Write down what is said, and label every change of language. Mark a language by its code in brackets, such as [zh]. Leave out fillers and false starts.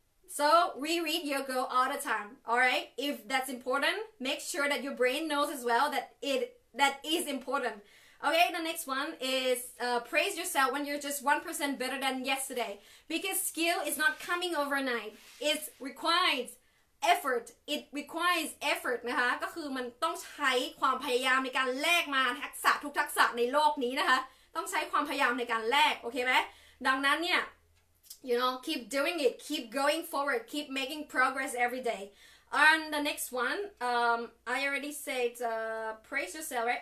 [en] So reread your goal all the time. All right, if that's important, make sure that your brain knows as well that is important. Okay, the next one is praise yourself when you're just 1% better than yesterday. Because skill is not coming overnight. It requires effort. It requires effort, [th] นะคะ ก็คือมันต้องใช้ความพยายามในการแลกมาทักษะทุกทักษะในโลกนี้นะคะ ต้องใช้ความพยายามในการแลก โอเคไหม ดังนั้นเนี่ย [en] you know, keep doing it. Keep going forward. Keep making progress every day. And the next one, I already said praise yourself, right?